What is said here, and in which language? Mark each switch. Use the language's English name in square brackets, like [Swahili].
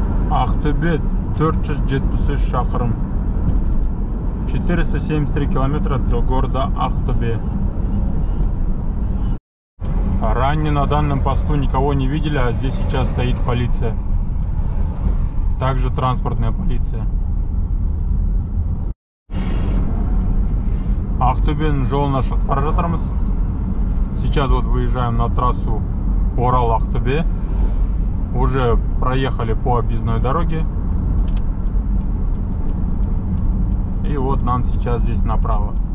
[Kazakh] Ақтөбе 473 шақырым. [Russian] 473 километра до города Ақтөбе. Ранее на данном посту никого не видели, а здесь сейчас стоит полиция. Также транспортная полиция. [Kazakh] Ақтөбен жолына шығып бара жатырмыз. [Russian] Сейчас вот выезжаем на трассу Орал-Ақтөбе. Уже проехали по объездной дороге. И вот нам сейчас здесь направо.